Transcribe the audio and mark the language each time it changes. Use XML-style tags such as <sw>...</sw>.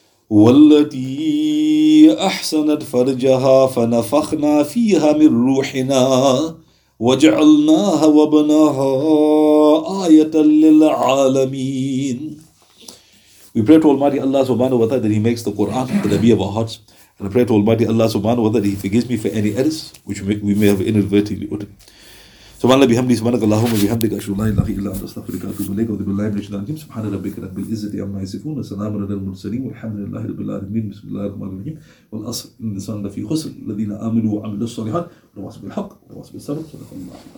<ar>والتي أحسنت فرجها فنفخنا فيها من روحنا وجعلناها وابنها آية للعالمين.</ar> <en>We pray to Almighty Allah subhanahu wa ta'ala that He makes the Quran the Nabi of our hearts. And I pray to Almighty Allah subhanahu wa ta'ala that He forgives me for any errors which we may have inadvertently uttered.</en> <ar>سبحان الله بحمده سبحانك اللهم وبحمدك أشهد أن لا إله إلا أنت أستغفرك وأتوب إليك وأتوب إلى الله أجمعين سبحان ربك رب العزة عما يصفون وسلام على المرسلين والحمد لله رب العالمين بسم الله الرحمن الرحيم والأصل إن الإنسان لفي خسر الذين آمنوا وعملوا الصالحات تواصوا بالحق تواصوا بالصبر صدق الله العظيم.</ar>